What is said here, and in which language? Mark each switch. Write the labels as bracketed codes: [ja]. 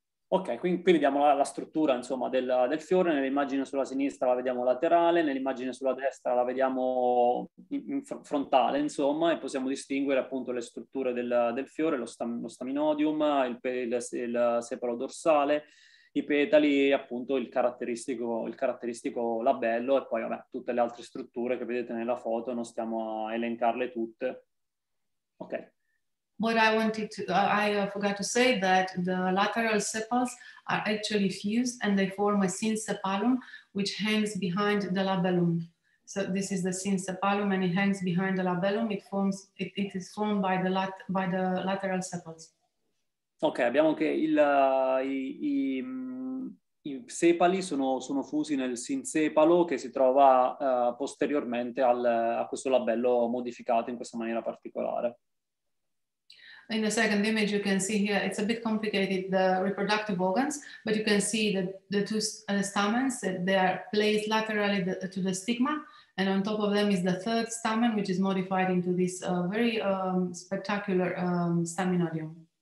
[it] Ok, qui vediamo la struttura, insomma, del fiore. Nell'immagine sulla sinistra la vediamo laterale, nell'immagine sulla destra la vediamo frontale, insomma, e possiamo distinguere appunto le strutture del fiore, lo staminodium, il sepalo dorsale, i petali, appunto il caratteristico labello, e poi vabbè, tutte le altre strutture che vedete nella foto, non stiamo a elencarle tutte. Ok. [en] What I wanted to, I forgot to say that the lateral sepals are actually fused and they form a syncepalum, which hangs behind the labellum. So this is the syncepalum and it hangs behind the labellum. It is formed by the lateral sepals. [it] Ok, abbiamo che i sepali sono fusi nel sincepalo che si trova posteriormente a questo labello modificato in questa maniera particolare. [en] In the second image, you can see here, it's a bit complicated, the reproductive organs, but you can see that the two stamens, they are placed laterally to the stigma, and on top of them is the third stamen, which is modified into this very spectacular staminodium.